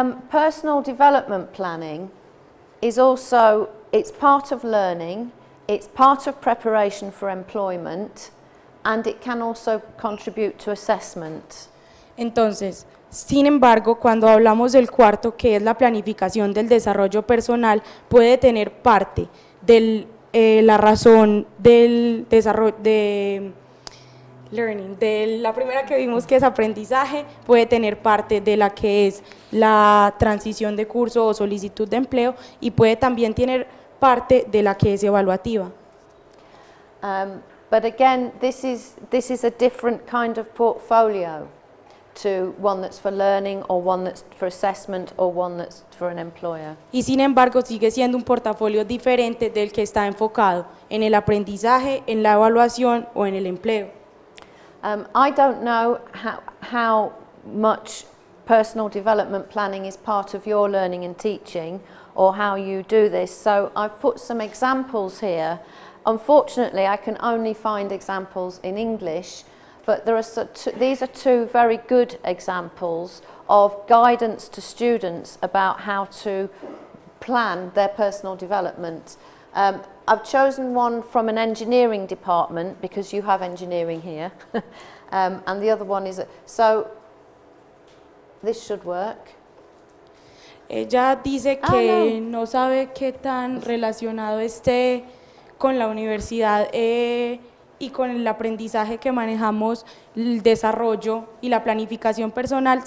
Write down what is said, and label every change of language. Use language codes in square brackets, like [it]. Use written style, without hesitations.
[en] Personal development planning is also, it's part of learning, it's part of preparation for employment, and it can also contribute to assessment. [es] Entonces, sin embargo, cuando hablamos del cuarto, que es la planificación del desarrollo personal, puede tener parte de la razón del desarrollo de learning, de la primera que vimos que es aprendizaje, puede tener parte de la que es la transición de curso o solicitud de empleo y puede también tener parte de la que es evaluativa. [en] But again, this is a different kind of portfolio to one that's for learning or one that's for assessment or one that's for an employer. [es] Y sin embargo, sigue siendo un portafolio diferente del que está enfocado en el aprendizaje, en la evaluación o en el empleo. [en] I don't know how much personal development planning is part of your learning and teaching or how you do this. So I've put some examples here. Unfortunately, I can only find examples in English, but these are two very good examples of guidance to students about how to plan their personal development. I've chosen one from an engineering department because you have engineering here, and the other one is so this should work. [es] Ella dice que no sabe qué tan relacionado esté con la universidad y con el aprendizaje que manejamos, el desarrollo y la planificación personal.